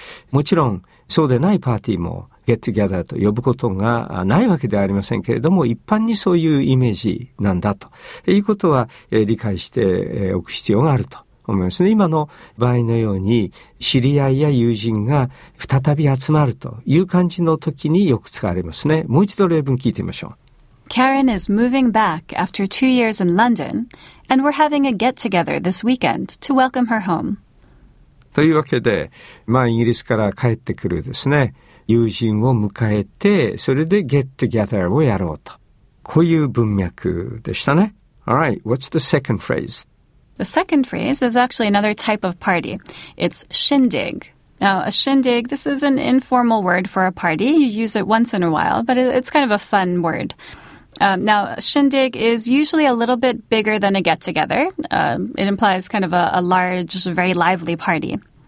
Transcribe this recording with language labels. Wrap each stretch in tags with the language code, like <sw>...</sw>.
<ja>もちろん、そうでないパーティーもget together と呼ぶことがないわけではありませんけれども、一般にそういうイメージなんだということは理解しておく必要があると思いますね。今の場合のように、知り合いや友人が再び集まるという感じの時によく使われますね。もう一度例文聞いてみましょう。</ja> <en>Karen is moving back after 2 years in London, and we're having a get together this weekend to welcome her home.</en> <ja>というわけで、まあ、イギリスから帰ってくるですね。友人を迎えて、それで get together をやろうと。こういう文脈でしたね。</ja> <en>All right, what's the second phrase? The second phrase is actually another type of party. It's shindig. Now, a shindig, this is an informal word for a party. You use it once in a while, but it's kind of a fun word. Now, shindig is usually a little bit bigger than a get together. It implies kind of a large, very lively party.</en>